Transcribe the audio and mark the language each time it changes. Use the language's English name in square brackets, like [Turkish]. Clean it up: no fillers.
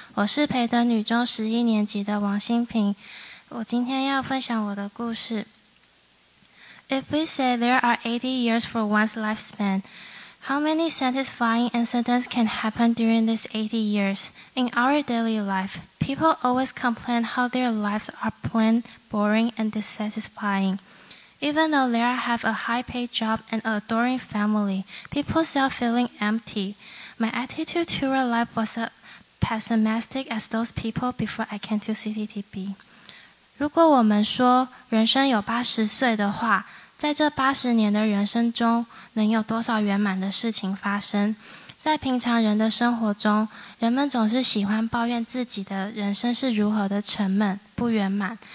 [Chinese] 我是培德女中11年级的王新平。我今天要分享我的故事。 [English] If we say there are 80 years for one's lifespan, how many satisfying incidents can happen during these 80 years? In our daily life, people always complain how their lives are plain, boring, and dissatisfying. Even though Lara have a high-paid job and an adoring family, people still feeling empty. My attitude to real life was as pessimistic as those people before I came to CCTP. [Chinese] 如果我们说人生有80岁的话，在这80年的人生中，能有多少圆满的事情发生？在平常人的生活中，人们总是喜欢抱怨自己的人生是如何的沉闷、不圆满。